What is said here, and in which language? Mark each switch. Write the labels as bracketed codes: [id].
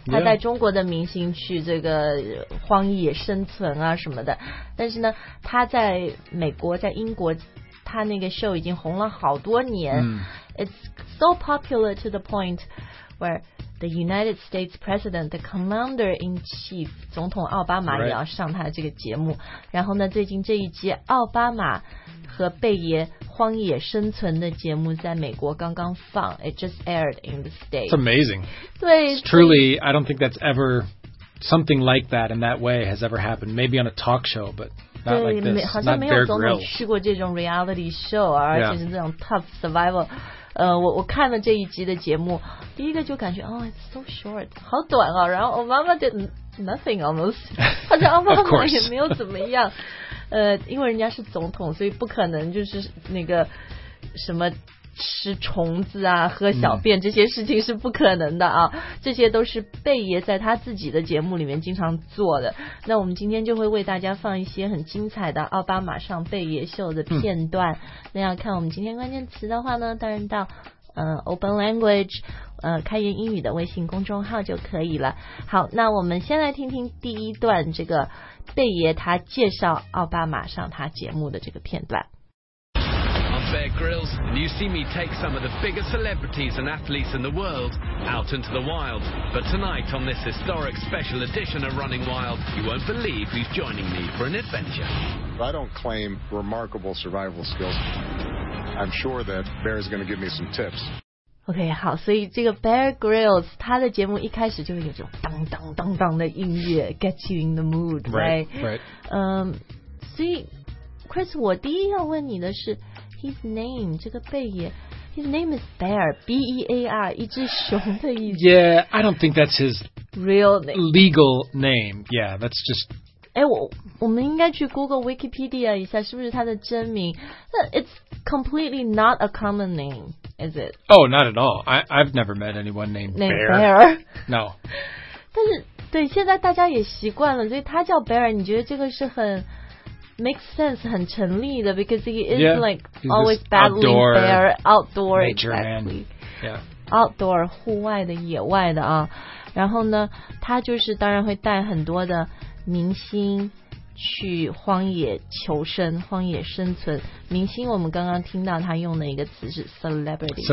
[zh] 他带中国的明星去这个荒野生存啊什么的，但是呢他在美国在英国他那个 show 已经红了好多年、 [en] It's so popular to the point where the United States President, the Commander-in-Chief [zh] 总统奥巴马也要上他这个节目、 [en] right. [zh] 然后呢最近这一集奥巴马和贝爷荒野生存的节目在美国刚刚放 [en] It just aired in the States. It's amazing. [zh] 对 [en] It's truly, I don't think that's ever something like that in that way has ever happened. Maybe on a talk show, but not like this. [zh] 对，好像没有总统去过这种 reality show, 而且是这种 [en] tough survival. [zh] 我看了这一集的节目，第一个就感觉 [en] Oh, it's so short. [zh] 好短哦，然后 [en] Obama did nothing almost. [zh] 好像 Obama 也没有怎么样。因为人家是总统，所以不可能就是那个什么吃虫子啊、喝小便、这些事情是不可能的啊。这些都是贝爷在他自己的节目里面经常做的。那我们今天就会为大家放一些很精彩的奥巴马上贝爷秀的片段。那要看我们今天关键词的话呢，当然到Open Language 开言英语的微信公众号就可以了。好，那我们先来听听第一段这个。贝爷他介绍奥巴马上他节目的这个片段。 [en] I'm Bear Grylls, and you see me take some of the biggest celebrities and athletes in the world out into the wild. But tonight, on this historic special edition of Running Wild, you won't believe who's joining me for an adventure. I don't claim remarkable survival skills. I'm sure that Bear's going to give me some tips. [zh] OK, 好，所以这个 Bear Grylls 他的节目一开始就有这种当当当当的音乐 [en] get you in the mood, right? Right. [zh] 所以 Chris, 我第一要问你的是 [en] his name, [zh] 这个贝爷 [en] his name is Bear, [zh] B-E-A-R, 一只熊的意思。 [en] Yeah, I don't think that's his real name. Legal name. Yeah, that's just... [zh] 我们应该去 Google Wikipedia 一下是不是他的真名 [en] It's completely not a common name, is it? Oh, not at all. I've never met anyone named Bear. No. [zh] 但是对现在大家也习惯了所以他叫 Bear, 你觉得这个是很 [en] makes sense, [zh] 很成立的 [en] because he is yeah, like always battling outdoor bear, outdoor, major exactly. Man. Yeah. [zh] Outdoor, 户外的野外的啊。然后呢他就是当然会带很多的明星去荒野求生荒野生存明星我们刚刚听到他用的一个词是 celebrity